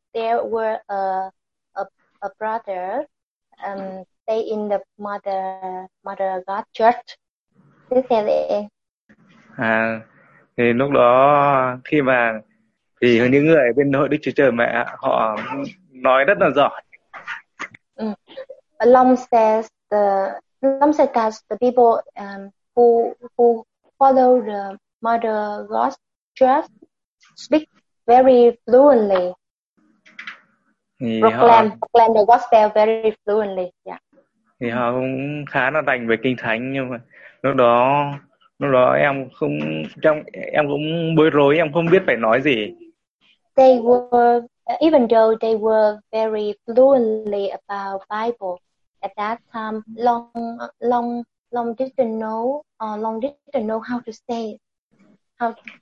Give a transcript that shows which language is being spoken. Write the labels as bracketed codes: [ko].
[en] There were a brother stay in the Mother God church. [vi] À, thì lúc đó khi mà thì những người bên hội Đức Chúa Trời Mẹ họ nói rất là giỏi. [en] Long says that the people who follow the Mother God Church speak very fluently. Proclaim the gospel very fluently. Yeah. [vi] Thì họ cũng khá là đành về Kinh Thánh, nhưng mà lúc đó em cũng bối rối, em không biết phải nói gì. [en] They were, even though they were very fluently about Bible at that time, long didn't know how to say huh?